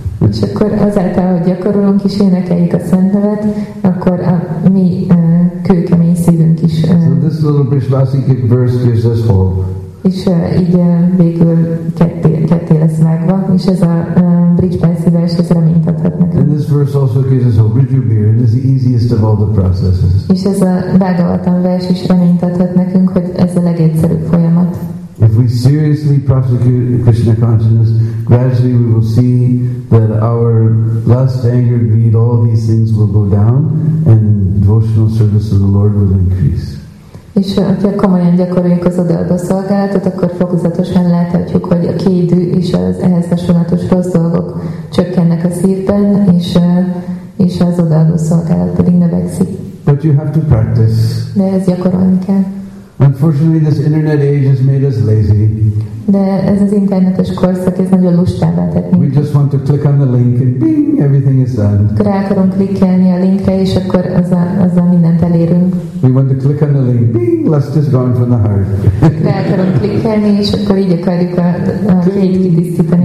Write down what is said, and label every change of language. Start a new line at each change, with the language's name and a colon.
Hungarian: És akkor azáltal, hogy gyakorolunk is énekeljük a szent nevet, akkor a mi kőkemény szívünk is.
English: So this little Brisbasic verse gives us hope.
Hungarian: És így végül ketté lesz vágva, és ez a Brisbasic vers ez reményt adhat nekünk.
English: And this verse also gives us hope. Rijubir, it is the easiest of all the processes.
Hungarian: És ez a Bhagavatam vers is reményt adhat nekünk, hogy ez a legegyszerűbb folyamat.
English: If we seriously prosecute Krishna consciousness, gradually we will see that our lust, anger, greed, all these things will go down and devotional service to the Lord will increase.
Hungarian: És ha komolyan gyakoroljuk az odaadó szolgálatot, akkor fokozatosan láthatjuk, hogy a kédű és az ehhez hasonlatos rossz dolgok csökkennek a szívben, és az odaadó szolgálat pedig növekszik.
English: But you have to practice.
Hungarian: De ez gyakorolni kell.
English: Unfortunately, this internet age has made us lazy.
Hungarian: De ez az internetes korszak, ez nagyon lustává tett minket.
English: We just want to click on the link and bing, everything is done.
Hungarian: Rá akarunk klikkelni a linkre, és akkor azzal mindent elérünk.
English: We want to click on the link, bing, lust is gone from the heart.
Hungarian: Rá akarunk klikkelni, és akkor így akarjuk a kényt kidisztítani.